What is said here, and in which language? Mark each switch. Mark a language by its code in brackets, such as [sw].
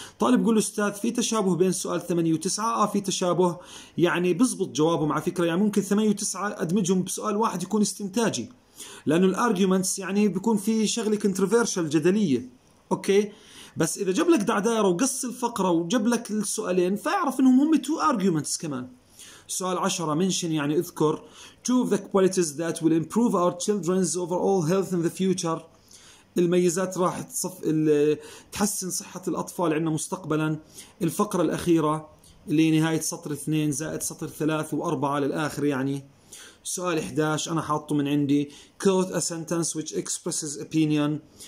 [ar] طالب يقول أستاذ في تشابه بين سؤال 8 و9. في تشابه، يعني بزبط جوابهم على فكرة، يعني ممكن 8 و9 أدمجهم بسؤال واحد يكون استنتاجي، لأنه الأرجيومنتس يعني بيكون في شغلة كنترفيرشل جدلية. أوكي، بس إذا جاب لك دعدار وقص الفقرة وجاب لك السؤالين فاعرف أنهم هم تو أرجيومنتس كمان. [en] سؤال 10: [ar] منشن يعني اذكر [en] two of the qualities that will improve our children's overall health in the future. [ar] الميزات راح تحسن صحة الأطفال عندنا مستقبلا. الفقرة الأخيرة اللي نهاية سطر 2 زائد سطر 3 و4 للآخر يعني. سؤال 11 أنا حاطه من عندي: [en] quote a sentence which expresses opinion.